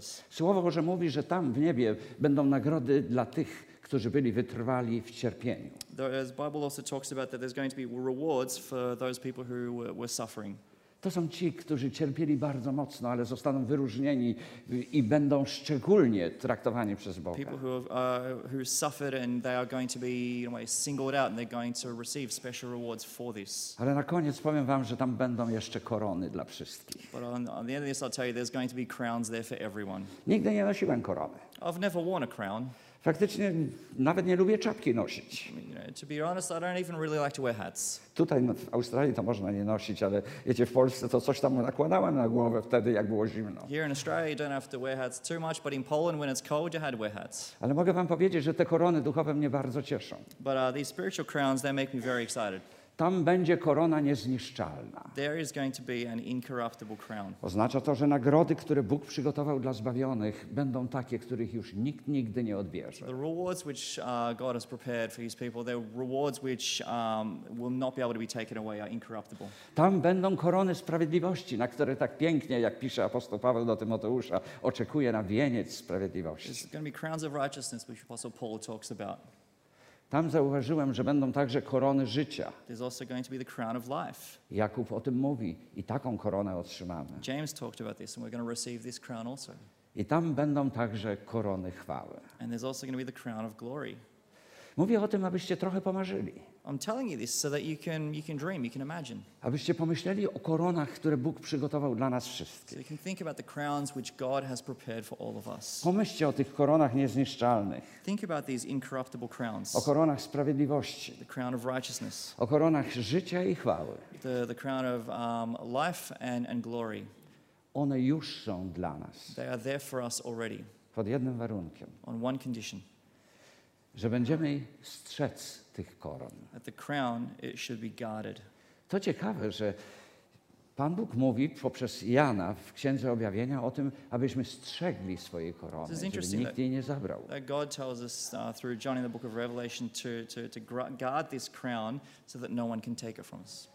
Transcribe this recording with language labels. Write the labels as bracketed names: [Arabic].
[Polish] Słowo Boże mówi, że tam w niebie będą nagrody dla tych, którzy byli wytrwali w cierpieniu. [English] The Bible also talks about that there's going to be rewards for those people who were suffering. [Polish] To są ci, którzy cierpieli bardzo mocno, ale zostaną wyróżnieni i będą szczególnie traktowani przez Boga. [English] People who suffered and they are going to be in a way singled out and they're going to receive special rewards for this. [Polish] Ale na koniec powiem wam, że tam będą jeszcze korony dla wszystkich. [English] But on the end of this, I'll tell you, there's going to be crowns there for everyone. [Polish] Nigdy nie nosiłem korony. [English] I've never worn a crown. [Polish] Faktycznie nawet nie lubię czapki nosić. [English] To be honest, I don't even really like to wear hats. [Polish] Tutaj w Australii to można nie nosić, ale wiecie, w Polsce to coś tam nakładałem na głowę wtedy, jak było zimno. [English] Here in Australia you don't have to wear hats too much, but in Poland when it's cold you had to wear hats. [Polish] Ale mogę wam powiedzieć, że te korony duchowe mnie bardzo cieszą. [English] But these spiritual crowns, they make me very excited. [Polish] Tam będzie korona niezniszczalna. [English] There is going to be an incorruptible crown. [Polish] Oznacza to, że nagrody, które Bóg przygotował dla zbawionych, będą takie, których już nikt nigdy nie odbierze. [English] The rewards which God has prepared for his people, they're rewards which will not be able to be taken away, are incorruptible. [Polish] Tam będą korony sprawiedliwości, na które tak pięknie, jak pisze apostoł Paweł do Tymoteusza, oczekuje na wieniec sprawiedliwości. [English] There's going to be crowns of righteousness which apostle Paul talks about. [Polish] Tam zauważyłem, że będą także korony życia. [English] There's also going to be the crown of life. [Polish] Jakub o tym mówi i taką koronę otrzymamy. [English] James talked about this and we're going to receive this crown also. [Polish] I tam będą także korony chwały. [English] And there's also going to be the crown of glory. [Polish] Mówię o tym, abyście trochę pomarzyli. [English] I'm telling you this so that you can dream, you can imagine. [Polish] Abyście pomyśleli o koronach, które Bóg przygotował dla nas wszystkich. [English] So you can think about the crowns which God has prepared for all of us. [Polish] Pomyślcie o tych koronach niezniszczalnych. [English] Think about these incorruptible crowns. [Polish] O koronach sprawiedliwości. [English] The crown of righteousness. [Polish] O koronach życia i chwały. [English] The crown of life and glory. [Polish] One już są dla nas. [English] They are there for us already. [Polish] Pod jednym warunkiem. [English] On one condition. [Polish] Że będziemy strzec tych koron. [English] At the crown, it should be guarded. [Polish] To ciekawe, że Pan Bóg mówi poprzez Jana w Księdze Objawienia o tym, abyśmy strzegli swojej korony, żeby nikt jej nie zabrał. [English] That God tells us through John in the book of Revelation to guard this crown so that no one can take it from us.